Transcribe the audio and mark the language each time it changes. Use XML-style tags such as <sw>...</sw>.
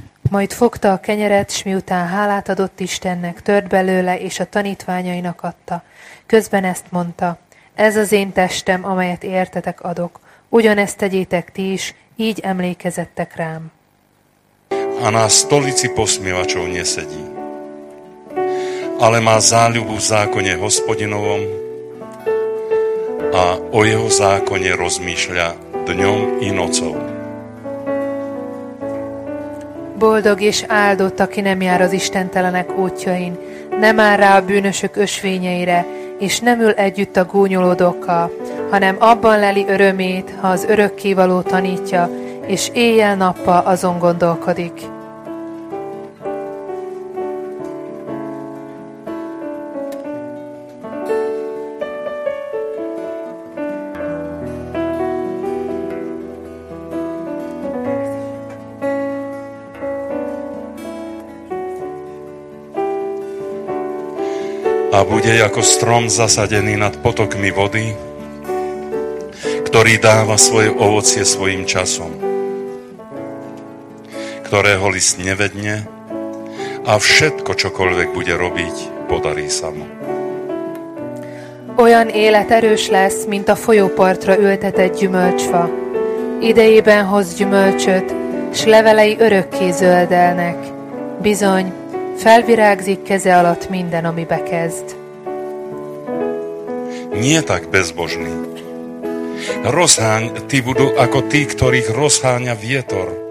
<hu>Majd fogta a kenyeret, s miután hálát adott Istennek, tört belőle, és a tanítványainak adta. Közben ezt mondta, ez az én testem, amelyet értetek adok. Ugyanezt tegyétek ti is, így emlékezettek rám.</hu> <sk>A na stolici posmievačov nesedí, ale má záľubu v zákone hospodinovom a o jeho zákone rozmýšľa dňom i nocou.</sk> <hu>Boldog és áldott, aki nem jár az istentelenek útjain, nem áll rá a bűnösök ösvényeire, és nem ül együtt a gúnyolódókkal, hanem abban leli örömét, ha az örökkévaló tanítja, és éjjel-nappal azon gondolkodik.</hu> <sk>A bude jako strom zasadený nad potokmi vody, ktorý dáva svoje ovocie svojim časom, ktorého list nevedne a všetko, čokoľvek bude robiť, podarí sa mu.</sk> <hu>Olyan élet erős lesz, mint a folyópartra ültetett gyümölcsfa. Idejében hoz gyümölcsöt, s levelei örökké zöldelnek. Bizony, felvirágzik keze alatt minden, ami bekezd.</hu> <sk>Nie tak bezbožný. Rozháň ty budú ako tí, ktorých rozháňa vietor.</sk>